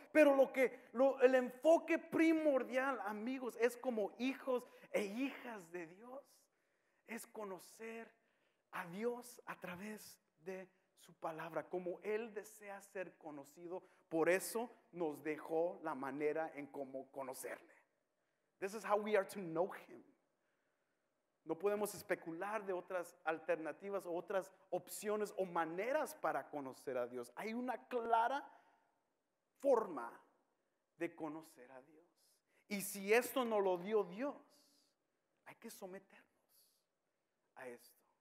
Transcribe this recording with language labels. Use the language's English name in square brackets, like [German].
[Spanish] Pero el enfoque primordial, amigos, es como hijos e hijas de Dios. Es conocer a Dios a través de su palabra, como Él desea ser conocido. Por eso nos dejó la manera en cómo conocerle. [English] This is how we are to know Him. [Spanish] No podemos especular de otras alternativas, otras opciones o maneras para conocer a Dios. Hay una clara forma de conocer a Dios. Y si esto no lo dio Dios, hay que someter a esto.